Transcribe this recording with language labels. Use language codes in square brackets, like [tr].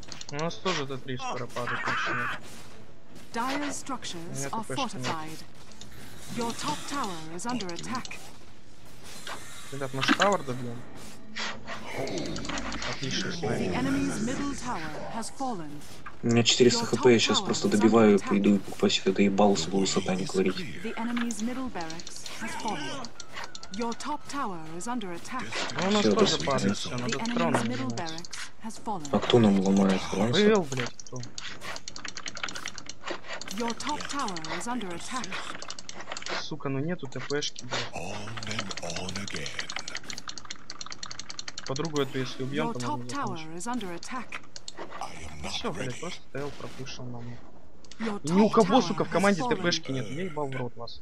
[ru] У нас тоже этот риск пропадает точно. [en] Dire's structures are fortified. Your top tower is under attack. [ru] Ребят, мы же тауэр добьем. Отлично. [en] The enemy's middle tower has fallen. [ru] У меня 400 хп, я сейчас просто добиваю, пойду и покупаю себе доебал с высота, не говорить. [en] The enemy's middle barracks has fallen. Your top tower is under attack. [ru] Ну, у нас всё, тоже падает, всё, надо с троном ломать. А кто нам ломает трон? Вывел, блядь, кто? [en] Your top tower is under attack. [ru] Сука, ну нету ТП-шки, блядь. Подругу эту, если убьём, то можно закончить. Всё, блядь, просто ТЛ пропушил нам. Ни у кого, сука, в команде ТП-шки нет, я ебал в рот вас.